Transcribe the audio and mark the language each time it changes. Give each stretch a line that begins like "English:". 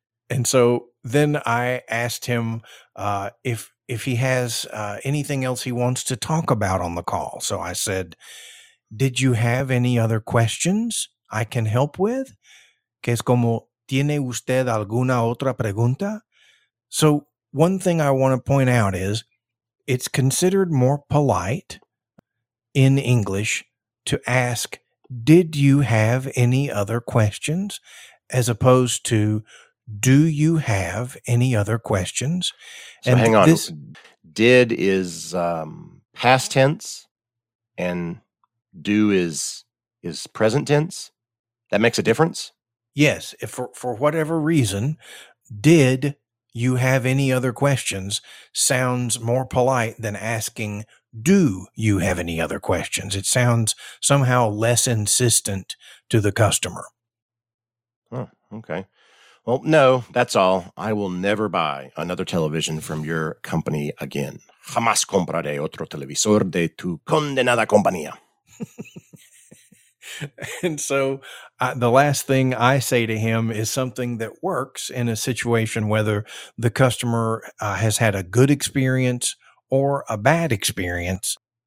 English: And so then I asked him if he has anything else he wants to talk about on the call. So I said, did you have any other questions I can help with?
Spanish: ¿Qué es como, tiene usted alguna otra pregunta?
English: So one thing I want to point out is it's considered more polite in English to ask, did you have any other questions? As opposed to, Do you have any other questions? And so hang on. This, did is past tense, and do is present tense. That makes a difference? Yes. If for whatever reason, did you have any other questions sounds more polite than asking, do you have any other questions? It sounds somehow less insistent to the customer. Oh, okay. Well, no, that's all. I will never buy another television from your company again.
Spanish: Jamás compraré otro televisor de tu condenada compañía.
English: And so the last thing I say to him is something that works in a situation, whether the customer has had a good experience or a bad experience.